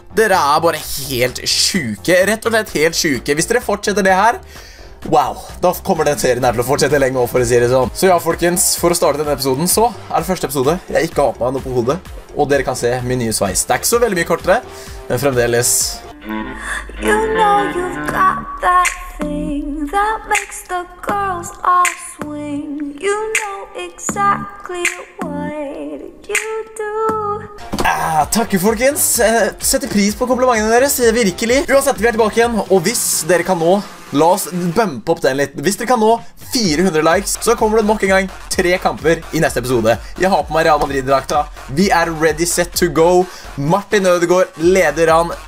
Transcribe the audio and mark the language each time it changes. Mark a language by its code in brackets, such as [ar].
[no] Dere er bare helt syke, rett og slett helt syke. Hvis dere fortsetter det her, wow, da kommer den serien her til å fortsette lenge også, for å si det sånn. Så ja, folkens, for å starte denne episoden, så er det første episode. Jeg ikke har åpnet noe på hodet. Og dere kan se min nye sveis. Det er ikke så veldig mye kortere, men fremdeles. [en] You know you've got that thing that makes the girls all swing. You know exactly what you do. [no] Takk, folkens. Setter pris på komplimentene deres, virkelig. Uansett, vi er tilbake igjen, og hvis dere kan nå, la oss bumpe opp den litt. Hvis dere kan nå 400 likes, så kommer det nok en gang 3 kamper i neste episode. Jeg har på meg Real Madrid-drakta. Vi er [en] ready, set to go. [no] Martin Ødegaard leder han.